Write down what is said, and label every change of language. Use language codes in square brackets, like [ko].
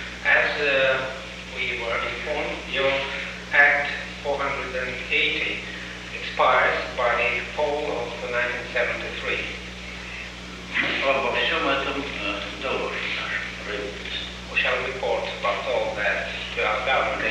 [en] As we were informed, your Act 480 expires by the fall of 1973. [ru] Обо всем этом доложим нашим правительствам. [en] We shall report about all that to our government.